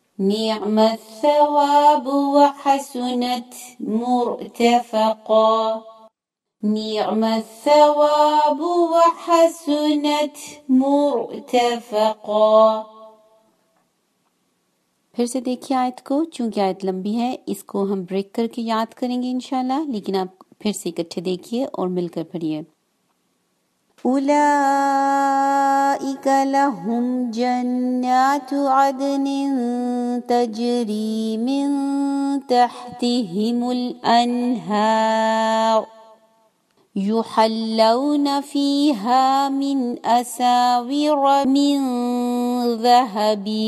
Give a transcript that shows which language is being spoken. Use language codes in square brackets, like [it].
[ar] نعم الثواب وحسنت مرتفقا نعم الثواب وحسنت مرتفقا [ur] پھر سے دیکھیے آیت کو چونکہ آیت لمبی ہے اس کو ہم بریک کر کے یاد کریں گے انشاءاللہ لیکن آپ پھر سے اکٹھے دیکھیے اور مل کر پڑھیے [ar] أولئك لهم جنات عدن تجري من تحتهم الأنهار يحلون فيها من أساور من ذهب